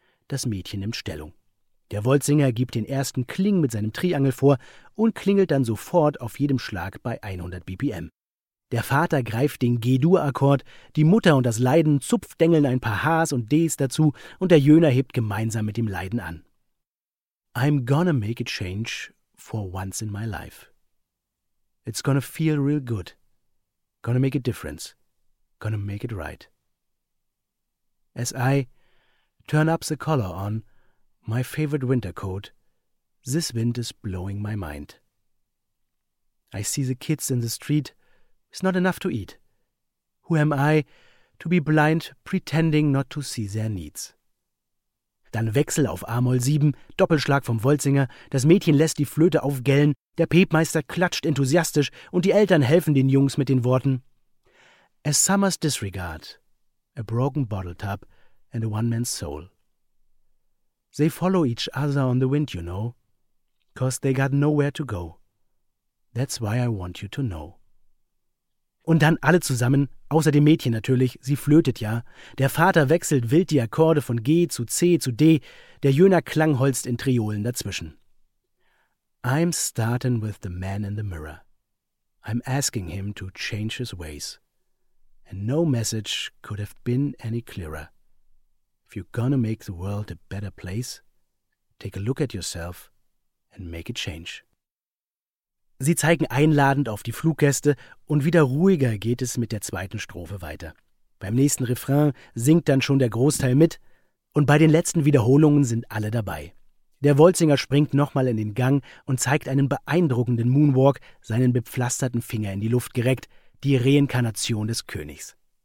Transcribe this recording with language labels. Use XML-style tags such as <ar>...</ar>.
<de>Das Mädchen nimmt Stellung. Der Wolzinger gibt den ersten Kling mit seinem Triangel vor und klingelt dann sofort auf jedem Schlag bei 100 BPM. Der Vater greift den G-Dur-Akkord, die Mutter und das Leiden zupfdengeln ein paar H's und D's dazu und der Jöner hebt gemeinsam mit dem Leiden an.</de> <en>I'm gonna make a change for once in my life. It's gonna feel real good. Gonna make a difference. Gonna make it right. As I turn up the collar on my favorite winter coat, this wind is blowing my mind. I see the kids in the street. It's not enough to eat. Who am I to be blind, pretending not to see their needs?</en> <de>Dann Wechsel auf A-Moll 7, Doppelschlag vom Wolzinger, das Mädchen lässt die Flöte aufgellen, der Pepmeister klatscht enthusiastisch und die Eltern helfen den Jungs mit den Worten.</de> <en>A summer's disregard, a broken bottle tub and a one man's soul. They follow each other on the wind, you know, 'cause they got nowhere to go. That's why I want you to know.</en> <de>Und dann alle zusammen, außer dem Mädchen natürlich, sie flötet ja. Der Vater wechselt wild die Akkorde von G zu C zu D, der Jöner klangholzt in Triolen dazwischen.</de> <en>I'm starting with the man in the mirror. I'm asking him to change his ways. And no message could have been any clearer. If you're gonna make the world a better place, take a look at yourself and make a change.</en> <de>Sie zeigen einladend auf die Fluggäste und wieder ruhiger geht es mit der zweiten Strophe weiter. Beim nächsten Refrain singt dann schon der Großteil mit und bei den letzten Wiederholungen sind alle dabei. Der Wolzinger springt nochmal in den Gang und zeigt einen beeindruckenden Moonwalk, seinen bepflasterten Finger in die Luft gereckt, die Reinkarnation des Königs.</de>